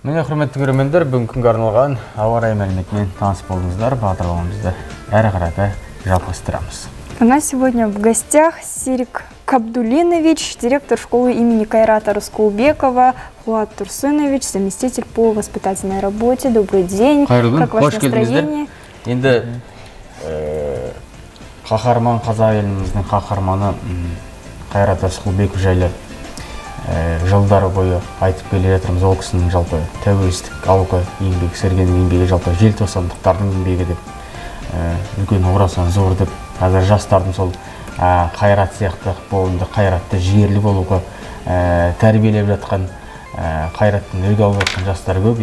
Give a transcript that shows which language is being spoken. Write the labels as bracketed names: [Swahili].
[Kazakh] Құрметті көрермендер, бүгін күнге арналған ауа райы мәліметімен танысып болдыңыздар. Бағдарламамызды әрі қарай да жалғастырамыз. [Russian] У нас сегодня в гостях Серик Кабдулинович, директор школы имени Кайрата Рыскулбекова, Хуат Турсынович, заместитель по воспитательной работе. Добрый день. [Kazakh] Қайырлы күн. [Russian] Как ваше настроение? [Kazakh] Енді қаһарман қазақ еліміздің қаһарманы Қайрат Асқылбеков жайлы жылдар бойы айтып келе жатырмыз. Ол кісінің жалпы тәуелсіздік алғы еңбегі, сіңірген еңбегі, жалпы желтоқсандықтардың еңбегі деп үлкен орасан зор деп қазір жастардың сол Қайрат сияқты болуында, Қайратты жігерлі болуға тәрбиелеп жатқан Қайраттың үлгі алып жатқан жастар көп.